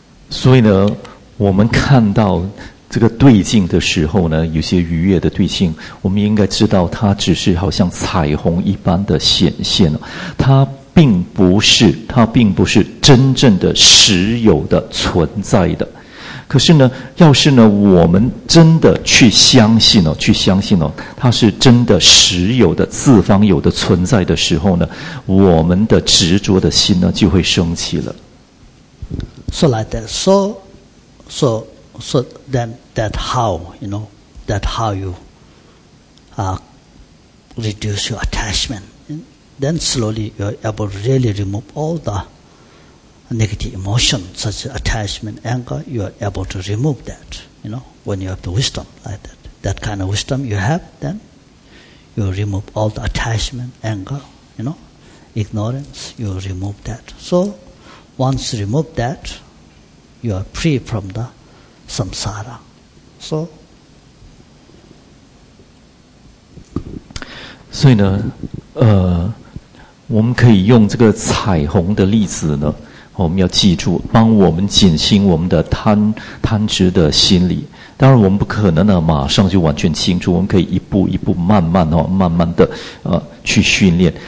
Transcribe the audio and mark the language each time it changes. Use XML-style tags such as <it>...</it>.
<zh>所以呢，我们看到这个对镜的时候呢，有些愉悦的对镜，我们应该知道它只是好像彩虹一般的显现，它并不是真正的实有的存在的。可是呢，要是呢，我们真的去相信哦，它是真的实有的自方有的存在的时候呢，我们的执着的心呢就会升起了。</zh> <en>So like that, so then that how you know that how you reduce your attachment, then slowly you're able to really remove all the. Negative emotion, such as attachment, anger, you are able to remove that, you know, when you have the wisdom like that. That kind of wisdom you have, then you remove all the attachment, anger, you know, ignorance, you remove that. So, once you remove that, you are free from the samsara. So,</en> <zh>所以呢，我们可以用这个彩虹的例子呢我们要记住，帮我们减轻我们的贪执的心理。当然，我们不可能呢马上就完全清楚，我们可以一步一步慢慢哦，慢慢的去训练。</zh>